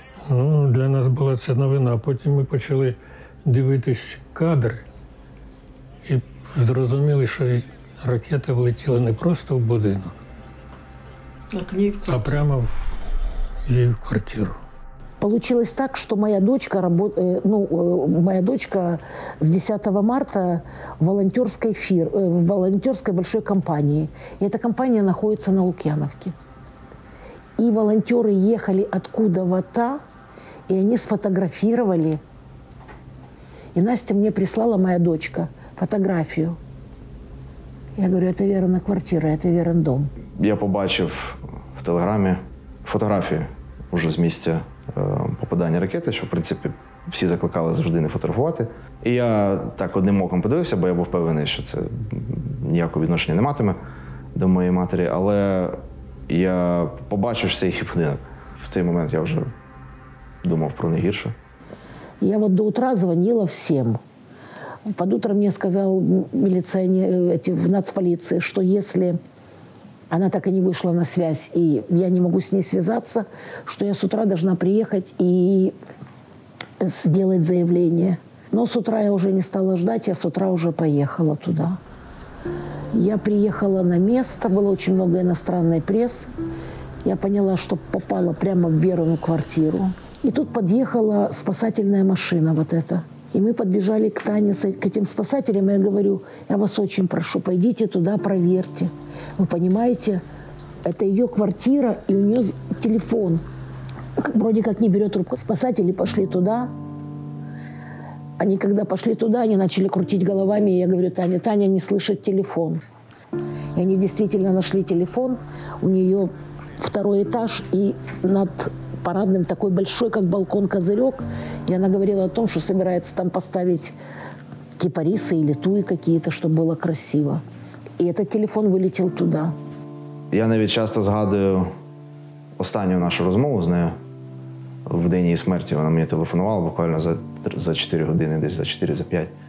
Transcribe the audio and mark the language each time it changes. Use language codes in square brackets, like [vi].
[uk] Ну, для нас була ця новина. Потім ми почали дивитись кадри і зрозуміли, що ракета влетіла не просто в будинок, а прямо в її квартиру. [ru] Получилось так, что моя дочка работает, ну, моя дочка с 10 марта волонтерской большой компании. И эта компания находится на Лукьяновке. И волонтеры ехали откуда-то, и они сфотографировали. И Настя мне прислала, моя дочка, фотографию. Я говорю, это Верина квартира, это Верин дом. [uk] Я побачив в телеграмі фотографії уже з місця попадання ракети, що, в принципі, всі закликали завжди не фотографувати. І я так одним оком подивився, бо я був впевнений, що це ніякого відношення не матиме до моєї матері. Але я побачив цей хіп-годинок. В цей момент я вже думав про найгірше. Я от [ru] до утра [uk] дзвонила всім. [ru] Под утро [uk] мені сказав міліціонер, в нацполіції, що якщо... [ru] Она так и не вышла на связь, и я не могу с ней связаться, что я с утра должна приехать и сделать заявление. Но с утра я уже не стала ждать, я с утра уже поехала туда. Я приехала на место, было очень много иностранной прессы. Я поняла, что попала прямо в Верину квартиру. И тут подъехала спасательная машина вот эта. И мы подбежали к Тане, к этим спасателям, и я говорю, я вас очень прошу, пойдите туда, проверьте. Вы понимаете, это ее квартира, и у нее телефон. Вроде как не берет трубку. Спасатели пошли туда. Они когда пошли туда, они начали крутить головами, и я говорю, Таня не слышит телефон. И они действительно нашли телефон. У нее второй этаж, и над парадным такой большой, как балкон, козырек. И она говорила о том, что собирается там поставить кипарисы или туи какие-то, чтобы было красиво. [uk] І цей телефон вилетів туди. Я навіть часто згадую останню нашу розмову з нею в день її смерті. Вона мені телефонувала буквально за 4 години, десь за 4, за 5.